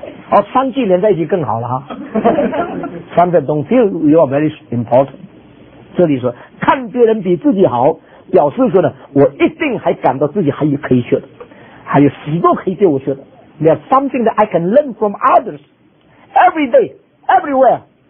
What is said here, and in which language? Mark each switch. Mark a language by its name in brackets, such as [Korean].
[Chinese] 哦，三句连在一起更好了哈。 [English] Sometimes don't feel you are very important. [Chinese] 这里说，看别人比自己好，表示说呢，我一定还感到自己还有可以学的，还有许多可以对我学的。 [English] There is something that I can learn from others every day, everywhere.